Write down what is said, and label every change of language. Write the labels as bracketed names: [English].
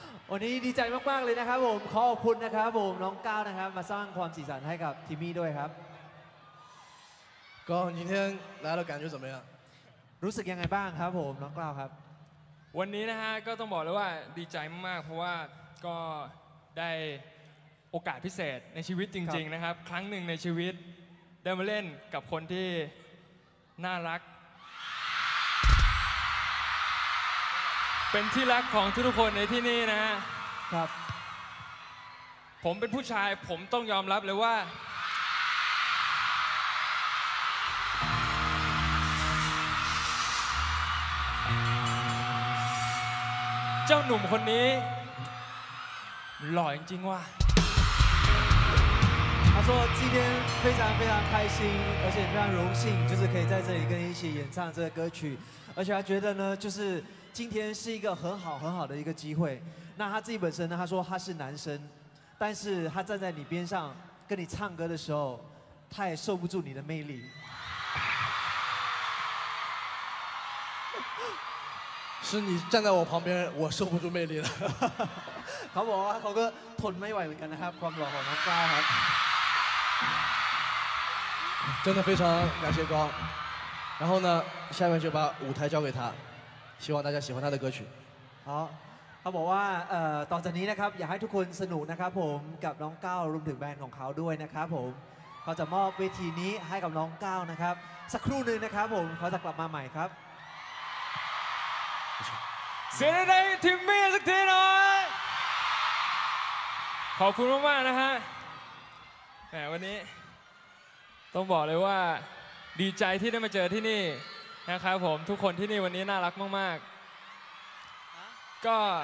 [Thai] วันนี้ดีใจมากๆเลยนะครับผมขอขอบคุณนะครับผมน้องก้าวนะครับมาสร้างความสีสันให้กับทีมมี่ด้วยครับ [Chinese] ก็今天来了感觉怎么样？ [Thai] รู้สึกยังไงบ้างครับผมน้องก้าวครับ วันนี้นะฮะก็ต้องบอกเลยว่าดีใจมากเพราะว่าก็ได้โอกาสพิเศษในชีวิตจริงๆนะครับครั้งหนึ่งในชีวิตได้มาเล่นกับคนที่น่ารักเป็นที่รักของทุกคนในที่นี่นะ ครับ ผมเป็นผู้ชายผมต้องยอมรับเลยว่าเจ้าหนุ่มคนนี้หล่อจริงๆว่ะเ ขาบอกว่า [Chinese] 今天非常非常开心而且非常荣幸就是可以在这里跟你一起演唱这个歌曲而且他觉得呢就是今天是一个很好很好的一个机会那他自己本身呢他说他是男生但是他站在你边上跟你唱歌的时候他也受不住你的魅力是你站在我旁边我受不住魅力了好不好好哥吞没完跟他还有光好难怪真的非常感谢光然后呢下面就把舞台交给他希望大家喜欢他的歌曲 [Thai] 好เขาบอกว่าต่อจากนี้นะครับอยากให้ทุกคนสนุกนะครับผมกับน้องก้าวรวมถึงแบรนด์ของเขาด้วยนะครับผมเขาจะมอบเวทีนี้ให้กับน้องก้าวนะครับสักครู่นึงนะครับผมเขาจะกลับมาใหม่ครับ เสียงในทิมมี่สักทีหน่อยขอบคุณมากๆนะฮะแหมวันนี้ต้องบอกเลยว่าดีใจที่ได้มาเจอที่นี่นะครับผมทุกคนที่นี่วันนี้น่ารักมากๆก็